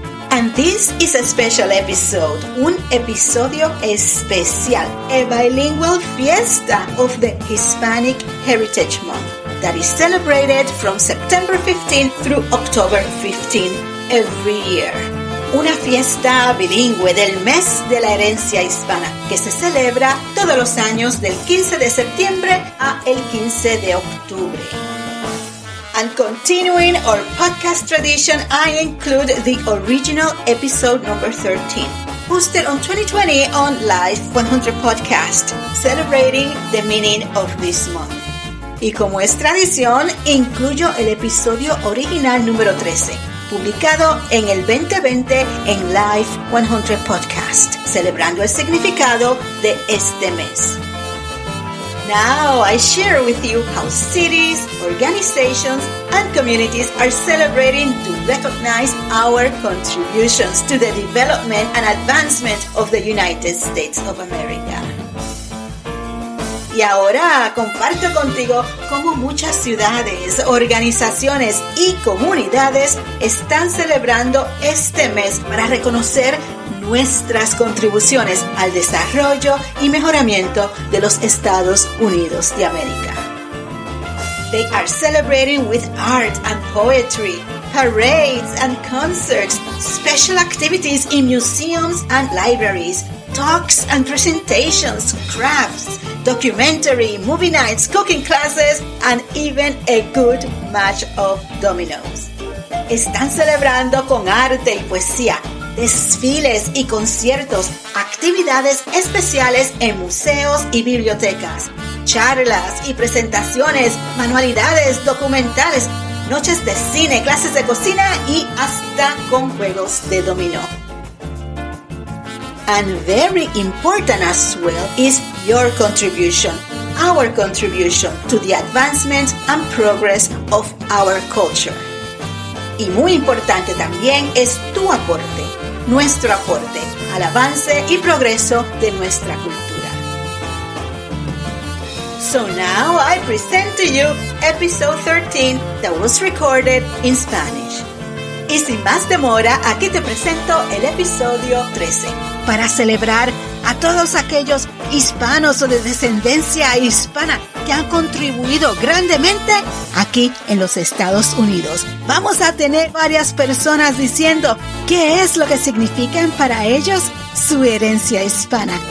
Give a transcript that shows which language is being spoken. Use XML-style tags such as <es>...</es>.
<en>And this is a special episode,</en> <es>un episodio especial,</es> <en>a bilingual fiesta of the Hispanic Heritage Month that is celebrated from September 15 through October 15 every year.</en> <es>Una fiesta bilingüe del mes de la herencia hispana que se celebra todos los años del 15 de septiembre a el 15 de octubre.</es> <en>And continuing our podcast tradition, I include the original episode number 13, posted on 2020 on Live 100 Podcast, celebrating the meaning of this month.</en> <es>Y como es tradición, incluyo el episodio original número 13, publicado en el 2020 en Live 100 Podcast, celebrando el significado de este mes.</es> <en>Now I share with you how cities, organizations, and communities are celebrating to recognize our contributions to the development and advancement of the United States of America.</en> <es>Y ahora comparto contigo cómo muchas ciudades, organizaciones y comunidades están celebrando este mes para reconocer nuestras contribuciones al desarrollo y mejoramiento de los Estados Unidos de América.</es> <en>They are celebrating with art and poetry, parades and concerts, special activities in museums and libraries, talks and presentations, crafts, documentary, movie nights, cooking classes, and even a good match of dominoes.</en> <es>Están celebrando con arte y poesía, desfiles y conciertos, actividades especiales en museos y bibliotecas, charlas y presentaciones, manualidades, documentales, noches de cine, clases de cocina y hasta con juegos de dominó.</es> <en>And very important as well is your contribution, our contribution to the advancement and progress of our culture.</en> <es>Y muy importante también es tu aporte, nuestro aporte, al avance y progreso de nuestra cultura.</es> <en>So now I present to you episode 13 that was recorded in Spanish.</en> <es>Y sin más demora, aquí te presento el episodio 13. Para celebrar a todos aquellos hispanos o de descendencia hispana que han contribuido grandemente aquí en los Estados Unidos. Vamos a tener varias personas diciendo qué es lo que significan para ellos su herencia hispana.</es>